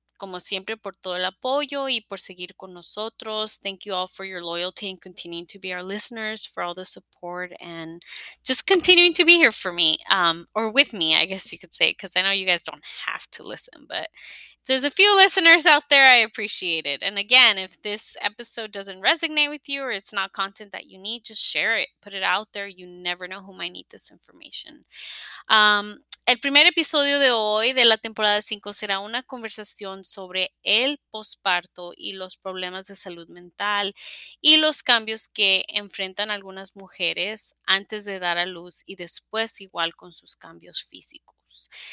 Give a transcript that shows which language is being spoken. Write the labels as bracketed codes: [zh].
[es] como siempre, por todo el apoyo y por seguir con nosotros. [en] Thank you all for your loyalty and continuing to be our listeners, for all the support and just continuing to be here for me, or with me, I guess you could say, because I know you guys don't have to listen, but there's a few listeners out there, I appreciate it. And again, if this episode doesn't resonate with you or it's not content that you need, just share it, put it out there. You never know who might need this information. [es] El primer episodio de hoy de la temporada 5 será una conversación sobre el posparto y los problemas de salud mental y los cambios que enfrentan algunas mujeres antes de dar a luz y después igual con sus cambios físicos.